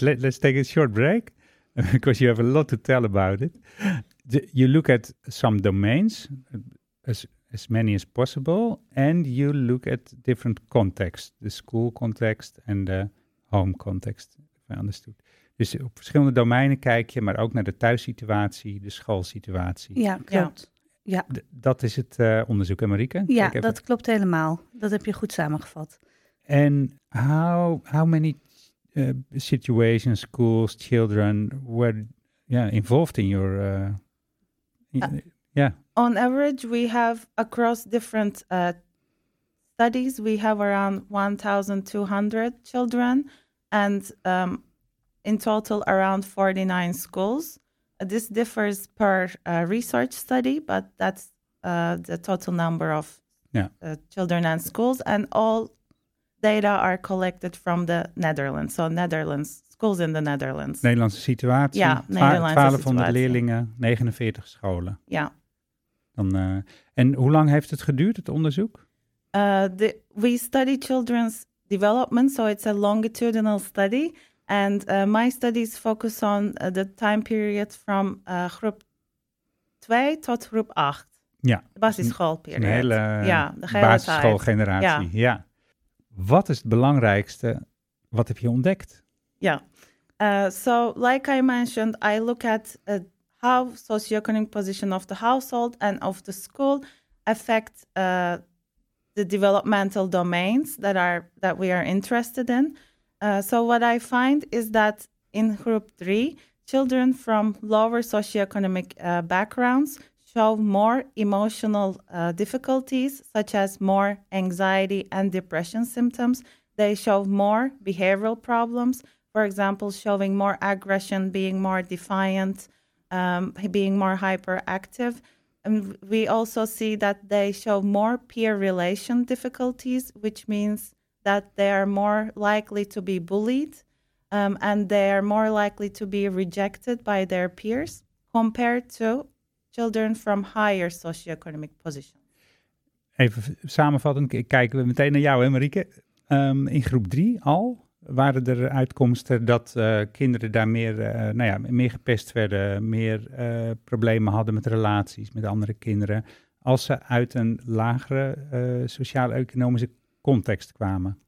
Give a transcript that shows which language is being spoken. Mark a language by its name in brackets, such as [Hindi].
[English] Let's take a short break, because you have a lot to tell about it. You look at some domains, as many as possible, and you look at different contexts, the school context and the home context, if I understood. [Dutch] Dus op verschillende domeinen kijk je, maar ook naar de thuissituatie, de schoolsituatie. Ja, klopt. Ja. Dat is het onderzoek, hè, Marieke? Ja, dat klopt helemaal. Dat heb je goed samengevat. [English] En how many situations, schools, children were involved in your... On average, we have across different studies, we have around 1,200 children and... in total, around 49 schools. This differs per research study, but that's the total number of children and schools. And all data are collected from the Netherlands. So Netherlands, schools in the Netherlands. [Dutch] Nederlandse situatie. Ja, Nederlandse situatie. 1200 leerlingen, 49 scholen. Ja. Dan, en hoe lang heeft het geduurd, het onderzoek? [English] We study children's development, so it's a longitudinal study. And my studies focus on the time period from [Dutch] groep 2 tot groep 8. Ja. De basisschoolperiode. Een hele, de basisschoolgeneratie. Ja. Ja. Wat is het belangrijkste? Wat heb je ontdekt? Ja. [English] So, like I mentioned, I look at how socioeconomic position of the household and of the school affect the developmental domains that we are interested in. So what I find is that in group 3, children from lower socioeconomic backgrounds show more emotional difficulties, such as more anxiety and depression symptoms they show more behavioral problems. For example, showing more aggression, being more defiant, being more hyperactive. And we also see that they show more peer relation difficulties, which means that they are more likely to be bullied, and they are more likely to be rejected by their peers compared to children from higher socioeconomic position. [Dutch] Even samenvattend, kijken we meteen naar jou, hè, Marieke. In groep 3 al waren er uitkomsten dat kinderen daar meer, meer gepest werden, meer problemen hadden met relaties met andere kinderen, als ze uit een lagere sociaal-economische context kwamen.